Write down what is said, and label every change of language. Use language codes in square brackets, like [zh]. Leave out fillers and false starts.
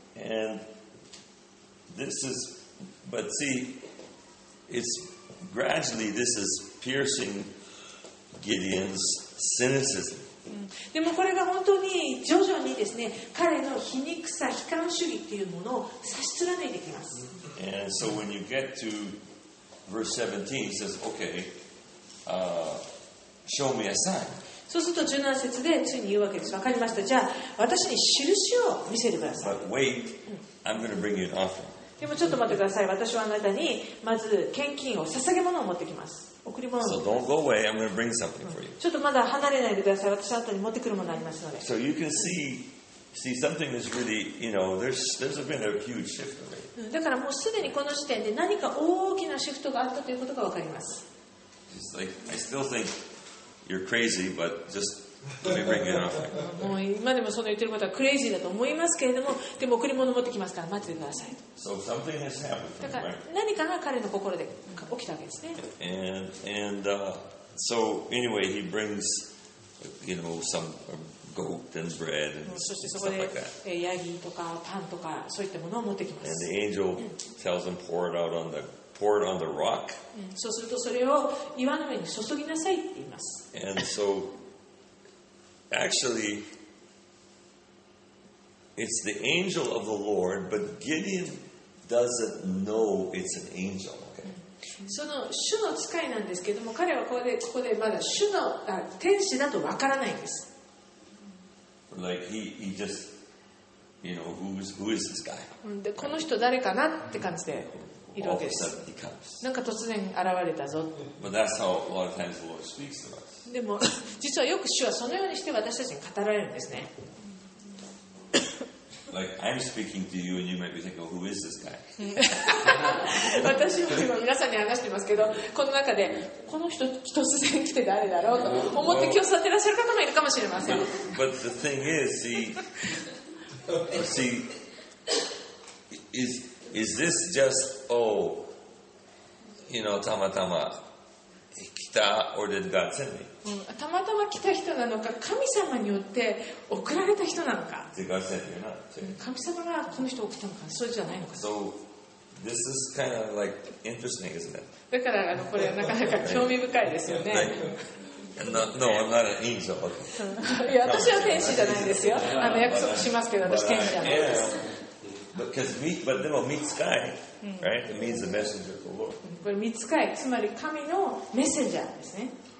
[en] And this is, but see, it's gradually this is piercing Gideon's cynicism. [ja] でもこれが本当に徐々にですね、彼の皮肉さ、悲観主義っていうものを差し貫いてきます。 [en] And so when you get to verse 17, he says, okay, show me a sign. [ja] そうすると17節でついに言うわけです。わかりました。じゃあ私に印を見せてください。 [en] But wait, I'm going to bring you an offering. [ja] でもちょっと待ってください。私はあなたにまず献金を捧げ物を持ってきます。贈り物を。 [en] So don't go away. I'm going to bring something for you. [ja] ちょっとまだ離れないでください。私はあなたに持ってくるものがありますので。 [en] So you can see See, something is really, you know, there's been a huge shift already. [ja] だからもうすでにこの時点で何か大きなシフトがあったということがわかります。 [en] Just like, I still think you're crazy, but just let me bring it off. [ja] もう今でもその言ってることはクレイジーだと思いますけれども、でも贈り物持ってきますから待っててください。 [en] So something has happened. [ja] だから何かが彼の心で起きたわけですね。 [en] And so anyway, he brings, you know, some. Goat and bread and stuff like that. [ja] ヤギとかパンとかそういったものを持ってきます。 [en] And the angel tells him pour it on the rock. [ja] そうするとそれを岩の上に注ぎなさいって言います。 [en] And so, actually, it's the angel of the Lord, but Gideon doesn't know it's an angel. [ja] その主の使いなんですけども、彼はここでまだ主の天使だとわからないんです。 [en] Like he just, you know, who is this guy? [ja] でこの人誰かなって感じでいるわけです。なんか突然現れたぞ。 [en] But that's how a lot of times the Lord speaks to us. [ja] でも実はよく主はそのようにして私たちに語られるんですね。 [en] Like I'm speaking to you and you might be thinking, well, who is this guy? [ja] 私も今皆さんに話してますけど、この中でこの人突然来て誰だろうと思って今日座ってらっしゃる方もいるかもしれません。 [en] But the thing is, see, is this just, oh, you know, [ja] たまたま来た [en] or did God send me? [ja] たまたま来た人なのか神様によって送られた人なのか神様がこの人を送ったのかそれじゃないのか [en] So this is kind of like interesting, isn't it? [ja] だからこれはなかなか興味深いですよね [en] No, I'm not an angel. [ja] いや私は天使じゃないですよ約束しますけど私天使じゃないです [en] But [ja] でも御使い [en] right? It means the messenger of the Lord. [ja] これ御使いつまり神のメッセンジャーですね